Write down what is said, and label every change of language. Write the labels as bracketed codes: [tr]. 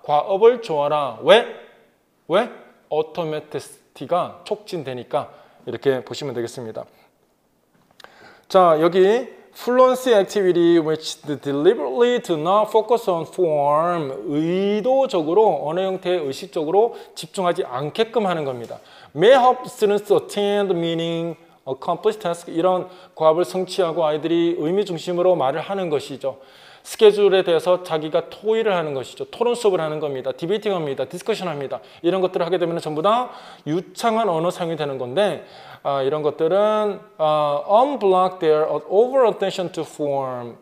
[ko] 과업을 좋아라. 왜? 왜? 오토매티시티가 촉진되니까 이렇게 보시면 되겠습니다. 자, 여기 [en] Fluency activity which deliberately do not focus on form. [ko] 의도적으로 언어 형태에 의식적으로 집중하지 않게끔 하는 겁니다. [en] May help students attain the meaning, accomplish task. [ko] 이런 과업을 성취하고 아이들이 의미 중심으로 말을 하는 것이죠. 스케줄에 대해서 자기가 토의를 하는 것이죠. 토론 수업을 하는 겁니다. 디베이팅 합니다. 디스커션 합니다. 이런 것들을 하게 되면 전부 다 유창한 언어 사용이 되는 건데, 이런 것들은 [en] unblock their over attention to form.